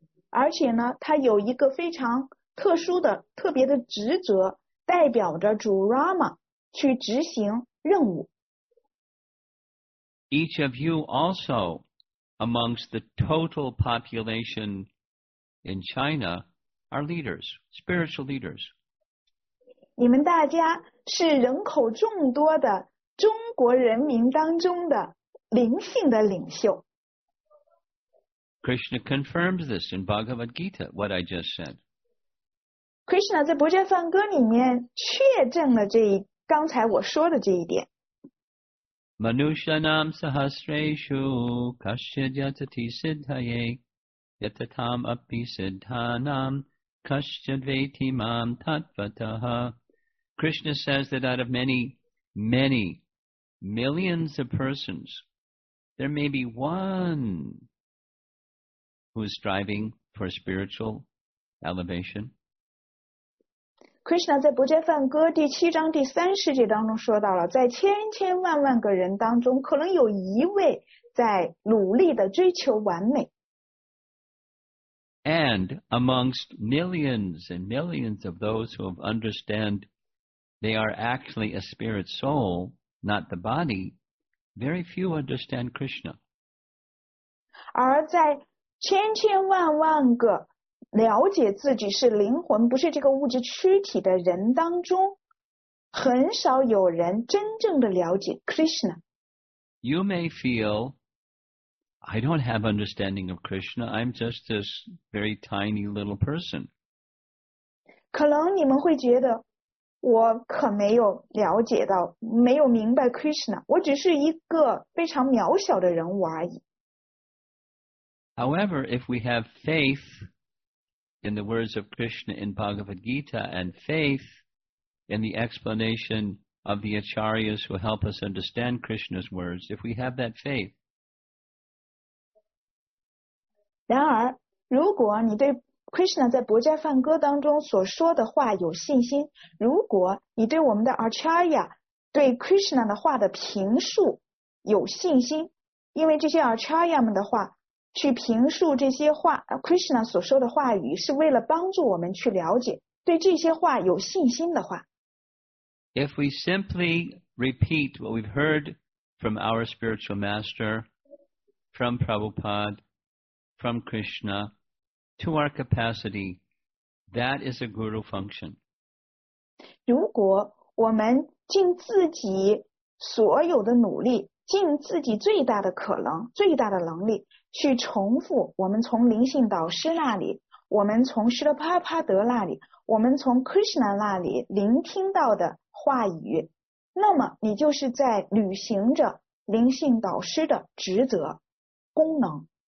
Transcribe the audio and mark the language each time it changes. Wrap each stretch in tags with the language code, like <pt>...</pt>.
<zh>而且呢，他有一个非常特殊的、特别的职责，代表着主 Rama 去执行任务。</zh> <en>Each of you also, amongst the total population in China, are leaders, spiritual leaders.</en> <zh>你们大家是人口众多的中国人民当中的灵性的领袖。</zh> <en>Krishna confirms this in Bhagavad Gita, what I just said.</en> <zh>Krishna 在《博伽梵歌》里面确证了这刚才我说的这一点。</zh> <sa>Manushanam sahasreshu kashyat yatati siddhaye yatatam api siddhanam kashyat veti mam tatvataha.</sa> <en>Krishna says that out of many, many millions of persons, there may be one who is striving for spiritual elevation.</en> <zh>Krishna 在《博伽梵歌》第七章第三十节当中说到了，在千千万万个人当中，可能有一位在努力的追求完美。</zh> <en>And amongst millions and millions of those who have understand they are actually a spirit soul, not the body, very few understand Krishna.</en> <zh>而在千千万万个了解自己是灵魂不是这个物质躯体的人当中，很少有人真正的了解 Krishna.</zh> <en>You may feel, I don't have understanding of Krishna, I'm just this very tiny little person.</en> <zh>可能你们会觉得，我可没有了解到，没有明白 Krishna, 我只是一个非常渺小的人物而已。</zh> <en>However, if we have faith,In the words of Krishna in Bhagavad Gita and faith in the explanation of the Acharyas who help us understand Krishna's words, if we have that faith.</en> <zh>然而如果你对 Krishna 在博伽梵歌当中所说的话有信心，如果你对我们的 Acharya 对 Krishna 的话的评述有信心，因为这些 Acharya 们的话去评述这些话 Krishna 所说的话语是为了帮助我们去了解对这些话有信心的话。</zh> <en>If we simply repeat what we've heard from our spiritual master, from Prabhupada, from Krishna, to our capacity, that is a guru function.</en> <zh>如果我们尽自己所有的努力，尽自己最大的可能，最大的能力，去重复我们从灵性导师那里，我们从施特帕帕德那里，我们从 Krishna 那里聆听到的话语，那么你就是在履行着灵性导师的职责功能。</zh>